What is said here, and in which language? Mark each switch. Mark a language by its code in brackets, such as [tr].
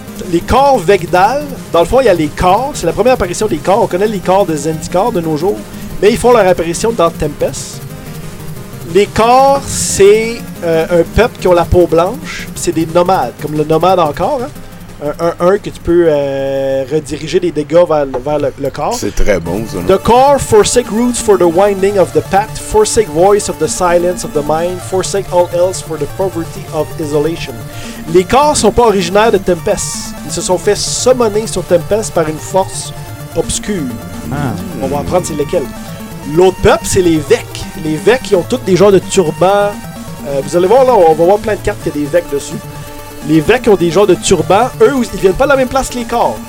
[fr] Les Corvecdal, dans le fond, il y a les Corps. C'est la première apparition des Corps. On connaît les Corps de Zendikar de nos jours. Mais ils font leur apparition dans Tempest. Les Corps, c'est un peuple qui ont la peau blanche. C'est des nomades, comme le nomade encore, hein. Un que tu peux rediriger des dégâts vers le corps. C'est très bon, ça. [en] The core forsake roots for the winding of the path, forsake voice of the silence of the mind, forsake all else for the poverty of isolation. [fr] Les corps sont pas originaires de Tempest. Ils se sont fait summoner sur Tempest par une force obscure. Ah. On va apprendre c'est lesquels. L'autre peuple, c'est les Vec. Les Vec, ils ont tous des genres de turbans. Vous allez voir, là, on va voir plein de cartes qui a des Vec dessus. Les Vec ont des genres de turbans. Eux, ils viennent pas de la même place que les Corps.